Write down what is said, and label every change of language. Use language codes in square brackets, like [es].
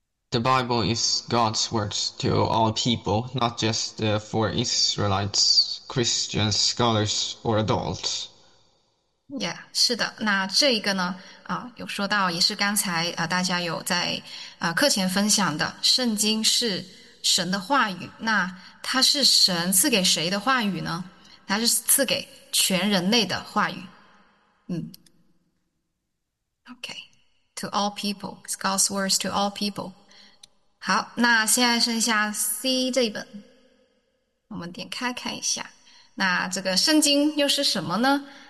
[en] The Bible is God's words to all people, not just for Israelites, Christians, scholars, or adults. [zh] Yeah，是的，那这一个呢，有说到，也是刚才大家有在课前分享的，圣经是神的话语，那它是神赐给谁的话语呢？它是赐给全人类的话语。 [en] OK，to all people，it's God's words to all people。 [zh] 好，那现在剩下 C 这一本，我们点开看一下，那这个圣经又是什么呢？